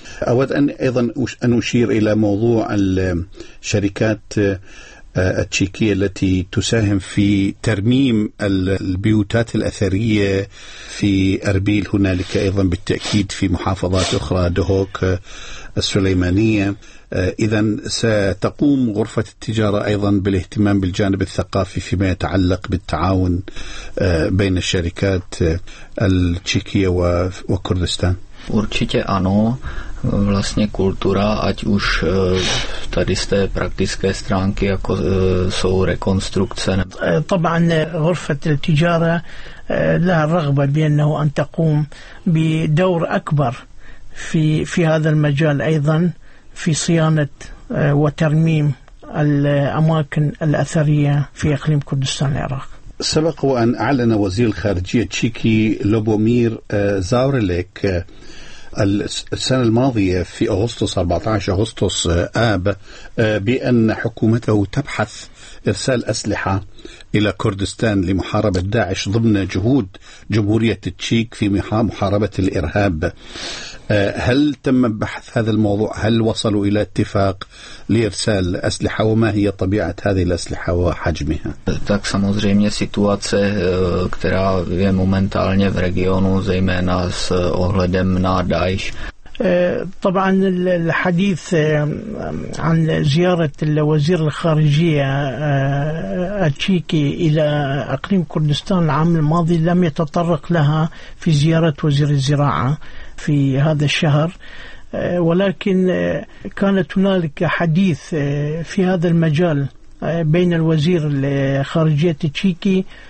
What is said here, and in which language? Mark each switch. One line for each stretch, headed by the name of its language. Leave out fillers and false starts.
Arabic: أود أن أيضا أن أشير إلى موضوع الشركات التشيكية التي تساهم في ترميم البيوتات الأثرية في أربيل، هنالك أيضا بالتأكيد في محافظات أخرى دهوك السليمانية. إذن ستقوم غرفة التجارة أيضا بالاهتمام بالجانب الثقافي فيما يتعلق بالتعاون بين الشركات التشيكية وكردستان.
Czech: určitě ano, vlastně kultura, ať už tady z té praktické stránky, jako jsou rekonstrukce.
Arabic: طبعا غرفة التجارة لها رغبة بأنه أن تقوم بدور أكبر في هذا المجال أيضا في صيانة وترميم الأماكن الأثرية في إقليم كردستان العراق. سبق وأن أعلن وزير الخارجية التشيكي لوبومير زاورليك السنة الماضية في أغسطس 14 أغسطس آب بأن حكومته تبحث إرسال أسلحة إلى كردستان لمحاربة داعش ضمن جهود جمهورية التشيك في محاربة الإرهاب. هل تم بحث هذا الموضوع؟ هل وصلوا إلى اتفاق لإرسال أسلحة؟ وما هي طبيعة هذه الأسلحة وحجمها؟
Czech: Tak samozřejmě situace, která je momentálně v regionu, zejména s ohledem na Daesh.
Arabic: طبعا الحديث عن زيارة الوزير الخارجية التشيكي إلى أقليم كردستان العام الماضي لم يتطرق لها في زيارة وزير الزراعة في هذا الشهر، ولكن كانت هنالك حديث في هذا المجال بين الوزير الخارجية التشيكي